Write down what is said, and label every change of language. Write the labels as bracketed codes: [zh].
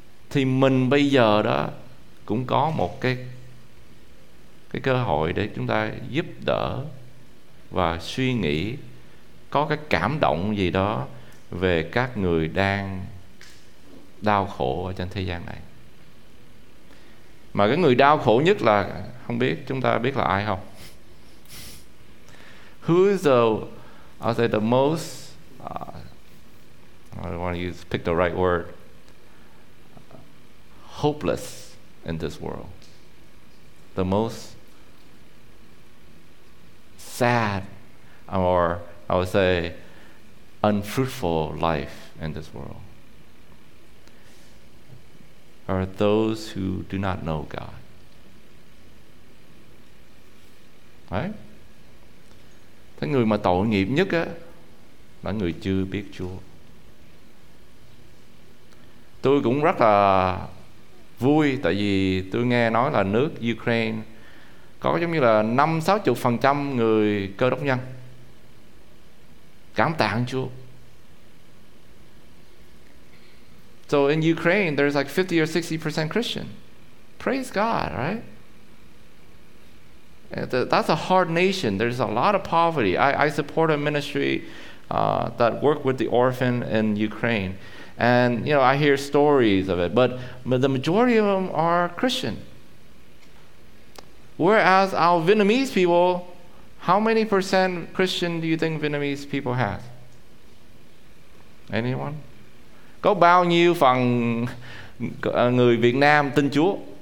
[vi] Thì mình bây giờ đó cũng có một cái cơ hội để chúng ta giúp đỡ và suy nghĩ, có cái cảm động gì đó về các người đang đau khổ ở trên thế gian này. Mà cái người đau khổ nhất là, không biết chúng ta biết là ai không? [en] Who is the, I'll say the most, I don't want to use, pick the right word, hopeless in this world, the most sad, or I would say unfruitful life in this world, are those who do not know God. Right? [vi] Thế người mà tội nghiệp nhất á là người chưa biết Chúa. Tôi cũng rất là vui, tại vì tôi nghe nói là nước Ukraine có giống như là 50-60% người Cơ Đốc nhân. Cảm tạ Chúa. [en] So in Ukraine there's like 50-60% Christian. Praise God, right? That's a hard nation. There's a lot of poverty. I support a ministry that work with the orphan in Ukraine. And, you know, I hear stories of it, but the majority of them are Christian. Whereas our Vietnamese people, how many percent Christian do you think Vietnamese people have? Anyone? [vi] Có bao nhiêu phần người Việt Nam tin Chúa?